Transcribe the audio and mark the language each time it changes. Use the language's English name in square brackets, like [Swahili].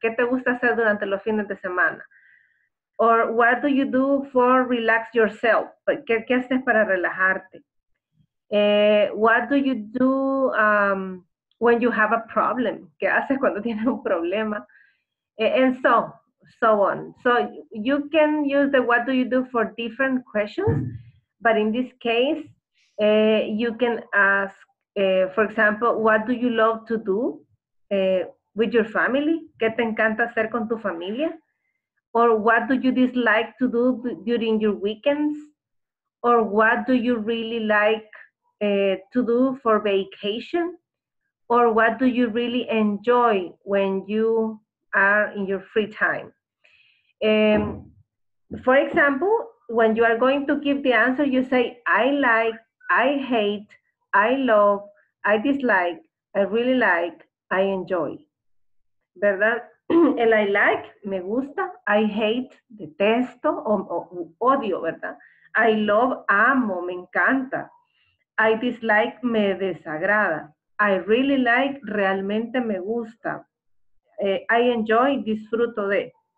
[Spanish] ¿Qué te gusta hacer durante los fines de semana? [English] Or what do you do for relax yourself? [Spanish] ¿Qué haces para relajarte? [English] What do you do when you have a problem? [Spanish] ¿Qué haces cuando tienes un problema? [English] And so on. So you can use the what do you do for different questions, but in this case, you can ask, for example, what do you love to do with your family? [Spanish] ¿Qué te encanta hacer con tu familia? [English] Or what do you dislike to do during your weekends? Or what do you really like to do for vacation? Or what do you really enjoy when you are in your free time? For example, when you are going to give the answer, you say, I like, I hate, I love, I dislike, I really like, I enjoy. [Spanish] ¿Verdad? El [English] I like, [Spanish] me gusta, [English] I hate, [Spanish] detesto, o odio, ¿verdad? [English] I love, [Spanish] amo, me encanta. [English] I dislike, [Spanish] me desagrada. [English] I really like, [Spanish] realmente me gusta. [English] I enjoy, [Spanish] disfruto de.